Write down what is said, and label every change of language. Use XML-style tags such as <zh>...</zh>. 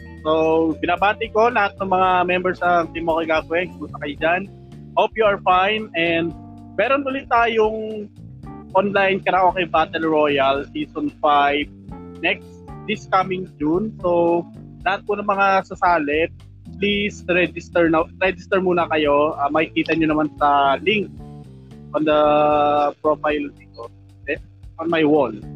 <tl>So, binabati ko lahat ng mga members ng Team Okay Gakwe. Gusto kayo dyan.</tl> <en>Hope you are fine and</en> <tl>meron ulit tayong</tl> <en>online karaoke battle royale season 5 next this coming June.</en> <tl>So lahat po ng mga sasali,</tl> <en>please register</en> <tl>na, register muna kayo. Makikita nyo naman sa link on the profile dito,</tl> <en>on my wall.</en>